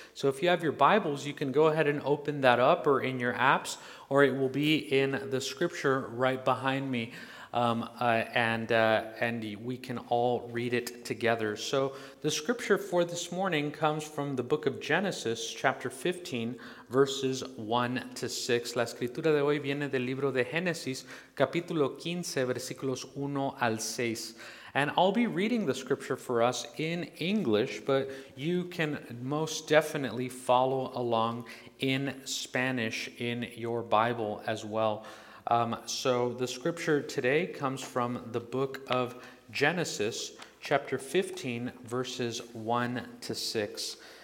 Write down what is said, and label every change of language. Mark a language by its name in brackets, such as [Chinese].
[English] So if you have your Bibles, you can go ahead and open that up or in your apps, or it will be in the scripture right behind me. And we can all read it together. So the scripture for this morning comes from the book of Genesis, chapter 15, verses 1 to 6. [Spanish] La escritura de hoy viene del libro de Génesis, capítulo 15, versículos 1 al 6. [English] And I'll be reading the scripture for us in English, but you can most definitely follow along in Spanish in your Bible as well. So the scripture today comes from the book of Genesis, chapter 15, verses 1 to 6.